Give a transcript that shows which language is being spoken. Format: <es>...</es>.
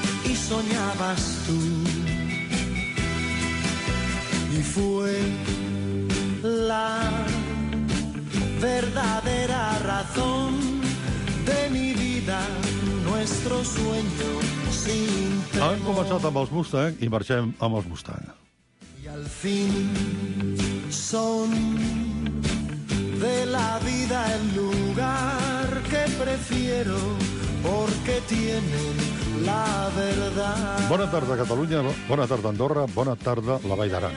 <es>Y soñabas tú. Y fue la verdadera razón de mi vida, nuestro sueño.</es> <ca>Hem començat amb els Mustang i marxem amb els Mustang.</ca> <es>I al fin son de la vida el lugar que prefiero porque tienen la verdad.</es> <ca>Bona tarda, Catalunya. Bona tarda, Andorra. Bona tarda, la Vall d'Aran.</ca>